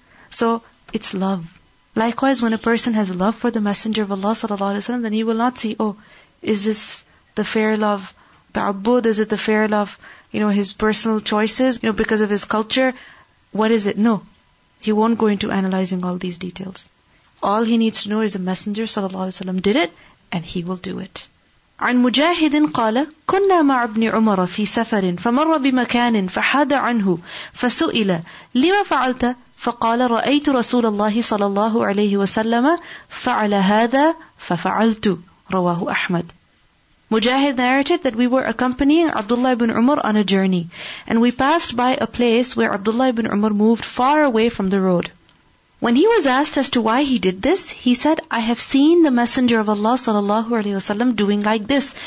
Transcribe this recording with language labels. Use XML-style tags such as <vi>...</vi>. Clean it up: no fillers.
<en>So, it's love. Likewise, when a person has love for the Messenger of Allah sallallahu alaihi wasallam, then he will not see, oh, is this the fair love, ta'abbud? Is it the fair love, you know, his personal choices, you know, because of his culture? What is it? No. He won't go into analyzing all these details. All he needs to know is the Messenger sallallahu alaihi wasallam did it, and he will do it.</en> <ar>عن مجاهد قال كنا مع ابن عمر في سفر فمر بمكان فحاد عنه فسئل لما فعلت فقال رأيت رسول الله صلى الله عليه وسلم فعل هذا ففعلت رواه أحمد.</ar> <en>مجاهد narrated that we were accompanying Abdullah ibn Umar on a journey and we passed by a place where Abdullah ibn Umar moved far away from the road. When he was asked as to why he did this, he said, I have seen the Messenger of Allah sallallahu alayhi wa sallam doing like this.</en>